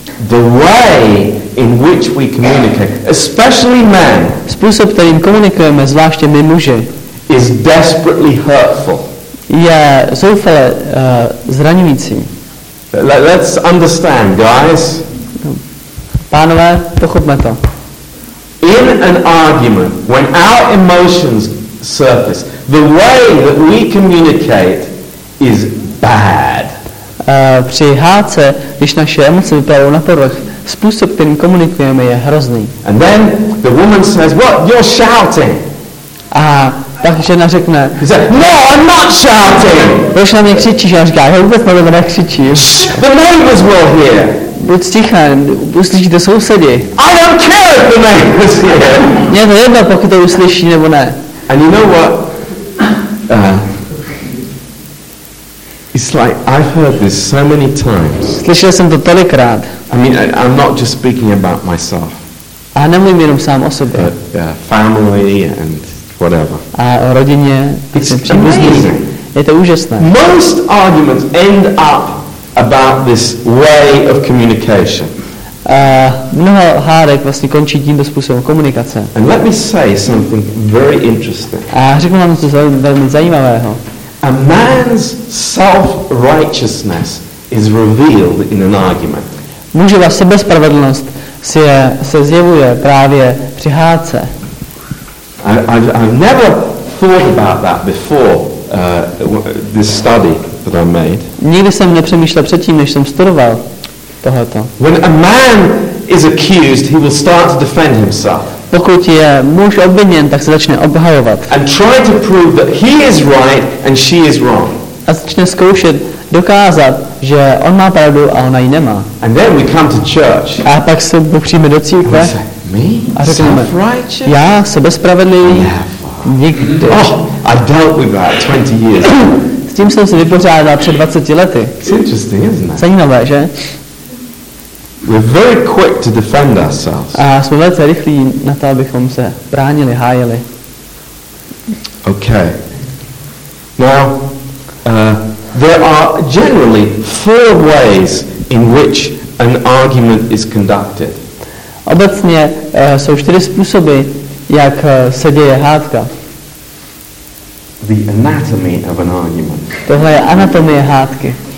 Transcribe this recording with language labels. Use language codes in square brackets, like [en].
[en] The way in which we communicate, especially men. [cs] Způsob, kterým komunikujeme, zvláště my muži. [en] Is desperately hurtful. [cs] Je zoufale zraňující. [en] Let's understand, guys. [cs] Pánové, pochopme to. [en] In an argument, when our emotions surface, the way that we communicate is bad. [cs] Při hádce, když naše emoce vyplavou na povrch, způsob, kterým komunikujeme, je hrozný. [en] And then the woman says, "What? You're shouting." [cs] A tak žena řekne, [en] "No, I'm not shouting." [cs] Proč na mě křičíš? A on říká, já vůbec na mě nekřičím. [en] Shh, the neighbors will hear. [cs] Buď ticha, uslyšíte sousedy. [en] I don't care if the neighbors hear. [cs] Mě to jedno, pokud to uslyší nebo ne. [en] And you know what? It's like I've heard this so many times. [cs] Slyšel jsem to tolikrát. [en] I mean, I'm not just speaking about myself. [cs] A nemluvím jenom sám o sobě. [en] But family and whatever. [cs] A o rodině. [en] It's amazing. [cs] Je to úžasné. [en] Most arguments end up about this way of communication. [cs] Mnoho hádek vlastně končí tímto způsobem komunikace. [en] And let me say something very interesting. [cs] A řeknu vám něco velmi zajímavého. [en] A man's self-righteousness is revealed in an argument. [cs] Mužova sebespravedlnost se zjevuje právě při hádce. [en] I've never thought about that before this study that I made. [cs] Nikdy jsem nepřemýšlel předtím, než jsem studoval tohleto. [en] When a man is accused, he will start to defend himself. [cs] Pokud je muž obviněn, tak se začne obhajovat. [en] And try to prove that he is right and she is wrong. [cs] A začne zkoušet dokázat, že on má pravdu a ona ji nemá. [en] And then we come to church. [cs] A pak se přijme do církve. A řekneme, [en] self-righteous? [cs] Já sebespravedlivý? Nikdy. [en] Oh, I dealt with that 20 years. [cs] S tím jsem se vypořádal před 20 lety. [en] It's interesting, isn't it? [cs] Zajímavé, že? [en] We're very quick to defend ourselves. [cs] A jsme velice rychlí na to, abychom se bránili, hájili. [en] Okay. Now, there are generally four ways in which an argument is conducted. [cs] Obecně jsou čtyři způsoby, jak se děje hádka. [en] The anatomy of an argument. [cs] Tohle je anatomie hádky.